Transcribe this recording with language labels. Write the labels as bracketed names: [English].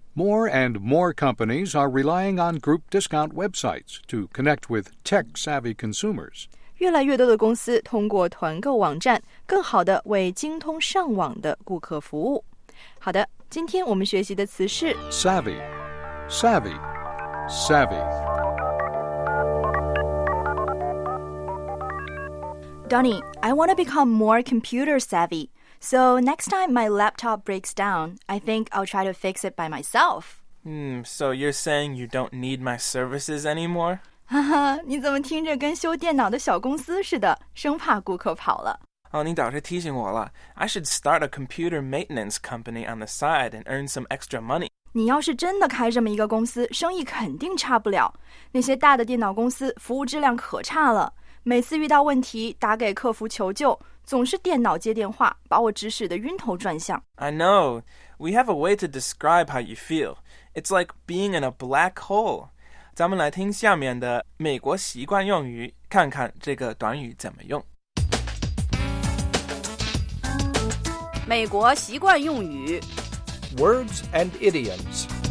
[English] More and more companies are relying on group discount websites to connect with tech-savvy consumers. [Chinese] 越来越多的公司通过团购网站更好地为精通上网的顾客服务。好的，今天我们学习的词是 [English] Savvy, savvy, savvy. Danny, I want to become more computer savvy. So next time my laptop breaks down, I think I'll try to fix it by myself. So you're saying you don't need my services anymore? [Chinese] 你怎么听着跟修电脑的小公司似的，生怕顾客跑了。你倒是提醒我了。 [English] I should start a computer maintenance company on the side and earn some extra money. [Chinese] 你要是真的开这么一个公司，生意肯定差不了。那些大的电脑公司服务质量可差了。每次遇到问题打给客服求救，总是电脑接电话，把我指使得晕头转向。 [English] I know. We have a way to describe how you feel. It's like being in a black hole. [Chinese] 咱们来听下面的美国习惯用语，看看这个短语怎么用。美国习惯用语 [English] Words and idioms.